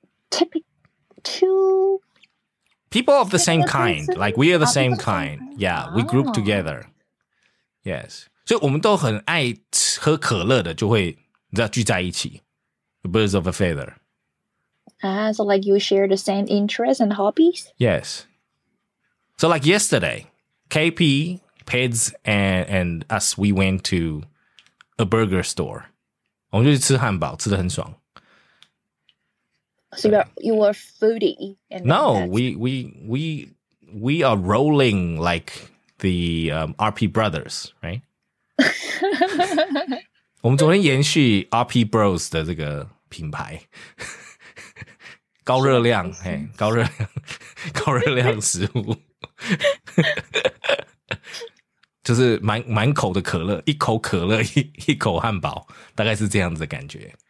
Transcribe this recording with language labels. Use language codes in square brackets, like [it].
[en] people of the same kind, like we are the same kind. Yeah, we group together. Yes. [zh] 所以我们都很爱喝可乐的就会聚在一起。 [en] Birds of a feather. Ah, so like you share the same interests and hobbies? Yes. So like yesterday, KP, Peds, and us, we went to a burger store. [zh] 我们就去吃汉堡，吃得很爽。 [en] So you are foodie? And no, we are rolling like the RP brothers, right? [zh] 我们昨天延续 RP Bros 的这个品牌，高热量，嘿，高热量，高热量食物，就是满口的可乐，一口可乐，一口汉堡，大概是这样子的感觉。